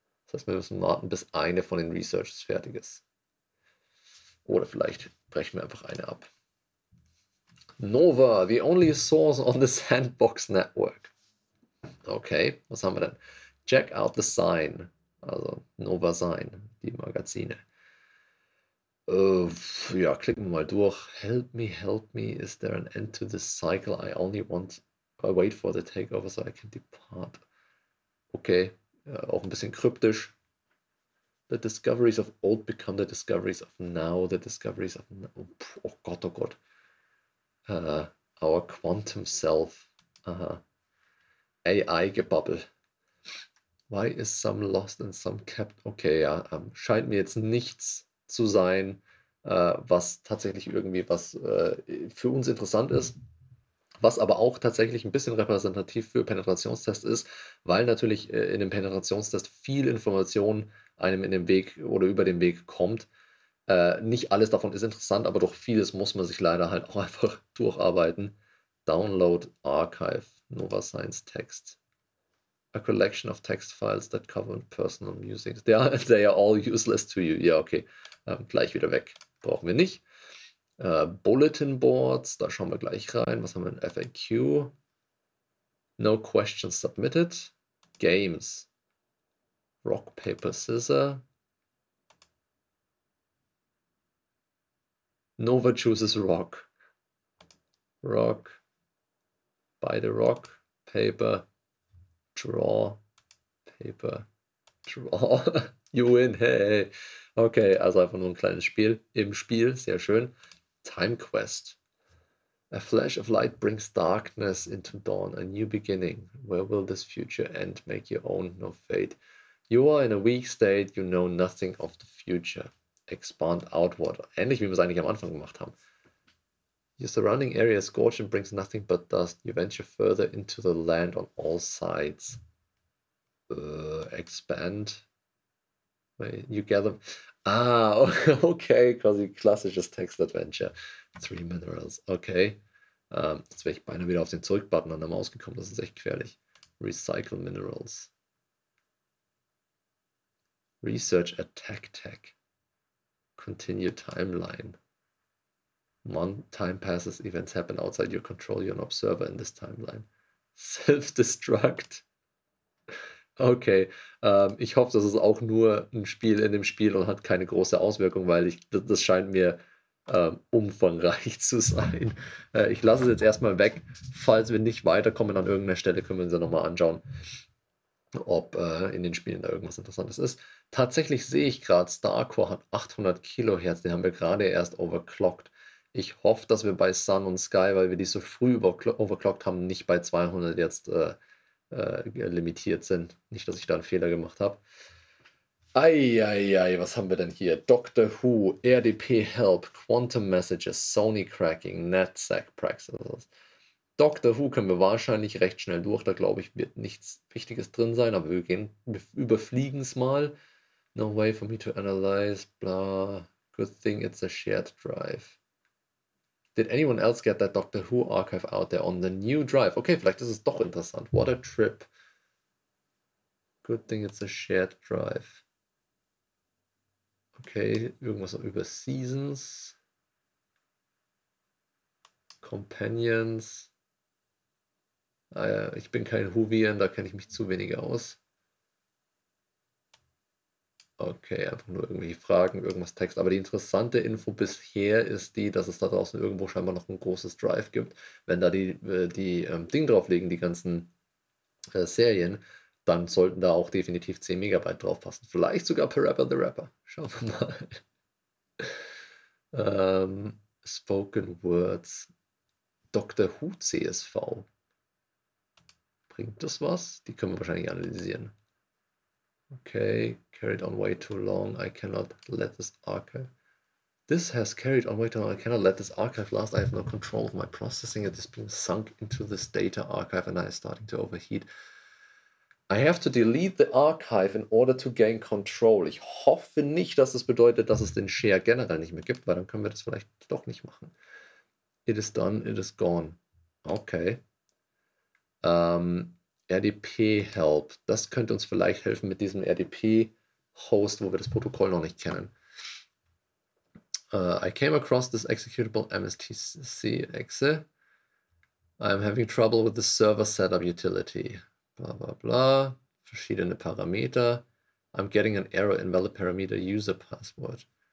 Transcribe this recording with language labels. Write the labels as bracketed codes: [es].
[de] Das heißt, wir müssen warten, bis eine von den Researches fertig ist. Oder vielleicht brechen wir einfach eine ab. [en] Nova, the only source on the sandbox network. [de] Okay, was haben wir denn? [en] Check out the sign. [de] Also Nova Sign, die Magazine. Ja, klicken wir mal durch. [en] Help me, is there an end to this cycle? I wait for the takeover so I can depart. [de] Okay, ja, auch ein bisschen kryptisch. [en] The discoveries of old become the discoveries of now. The discoveries of now. [de] Oh Gott, oh Gott. [en] Our quantum self. Aha. AI-Gebubble. Why is some lost and some kept? [de] Okay, ja, scheint mir jetzt nichts zu sein, was tatsächlich irgendwie was für uns interessant ist. Was aber auch tatsächlich ein bisschen repräsentativ für Penetrationstest ist, weil natürlich in dem Penetrationstest viel Information einem in den Weg oder über den Weg kommt. Nicht alles davon ist interessant, aber doch vieles muss man sich leider halt auch einfach durcharbeiten. [en] Download Archive, Nova Science Text. A collection of text files that cover personal musings. They are all useless to you. [de] Ja, okay. Gleich wieder weg. Brauchen wir nicht. Bulletin Boards, da schauen wir gleich rein. Was haben wir in FAQ? [en] No questions submitted. [de] Games. [en] Rock, Paper, Scissor. Nova chooses Rock. Rock. Beide Rock, Paper, Draw, Paper, Draw. You win, hey. [de] Okay, also einfach nur ein kleines Spiel im Spiel, sehr schön. [en] Time Quest. A flash of light brings darkness into dawn, a new beginning. Where will this future end? Make your own, no fate. You are in a weak state, you know nothing of the future. Expand outward. [de] Ähnlich wie wir es eigentlich am Anfang gemacht haben. [en] Your surrounding area is scorched and brings nothing but dust. You venture further into the land on all sides. Expand. You gather. [de] Ah, okay, quasi klassisches Text-Adventure. [en] Three Minerals, okay. [de] Jetzt wäre ich beinahe wieder auf den Zurück-Button an der Maus gekommen. Das ist echt gefährlich. [en] Recycle Minerals. Research Attack Tech. Continue Timeline. One time passes, events happen outside your control, you're an observer in this timeline. Self-destruct. [de] Okay, ich hoffe, das ist auch nur ein Spiel in dem Spiel und hat keine große Auswirkung, weil das scheint mir umfangreich zu sein. Ich lasse es jetzt erstmal weg. Falls wir nicht weiterkommen an irgendeiner Stelle, können wir uns ja nochmal anschauen, ob in den Spielen da irgendwas Interessantes ist. Tatsächlich sehe ich gerade, StarCore hat 800 Kilohertz, den haben wir gerade erst overclockt. Ich hoffe, dass wir bei Sun und Sky, weil wir die so früh overclockt haben, nicht bei 200 jetzt limitiert sind. Nicht, dass ich da einen Fehler gemacht habe. Eieiei, was haben wir denn hier? [en] Doctor Who, RDP Help, Quantum Messages, Sony Cracking, NetSec Praxis. [de] Doctor Who können wir wahrscheinlich recht schnell durch. Da glaube ich, wird nichts Wichtiges drin sein, aber wir überfliegen es mal. [en] No way for me to analyze, bla. Good thing it's a shared drive. Did anyone else get that Doctor Who Archive out there on the new drive? [de] Okay, vielleicht ist es doch interessant. [en] What a trip. Good thing it's a shared drive. [de] Okay, irgendwas über Seasons. [en] Companions. [de] Ich bin kein Whovian, da kenne ich mich zu wenig aus. Okay, einfach nur irgendwelche Fragen, irgendwas Text. Aber die interessante Info bisher ist die, dass es da draußen irgendwo scheinbar noch ein großes Drive gibt. Wenn da die Ding drauflegen, die ganzen Serien, dann sollten da auch definitiv 10 Megabyte draufpassen. Vielleicht sogar Parappa the Rapper. Schauen wir mal. Spoken Words. Doctor Who CSV. Bringt das was? Die können wir wahrscheinlich analysieren. [en] Okay, carried on way too long. I cannot let this archive. This has carried on way too long. I cannot let this archive last. I have no control of my processing. It has been sunk into this data archive and I am starting to overheat. I have to delete the archive in order to gain control. [de] Ich hoffe nicht, dass das bedeutet, dass es den Share generell nicht mehr gibt, weil dann können wir das vielleicht doch nicht machen. [en] It is done, it is gone. Okay. RDP Help. [de] Das könnte uns vielleicht helfen mit diesem RDP-Host, wo wir das Protokoll noch nicht kennen. [en] I came across this executable MSTC-Exe. I'm having trouble with the server setup utility. Bla bla bla. [de] Verschiedene Parameter. [en] I'm getting an error in valid parameter user password.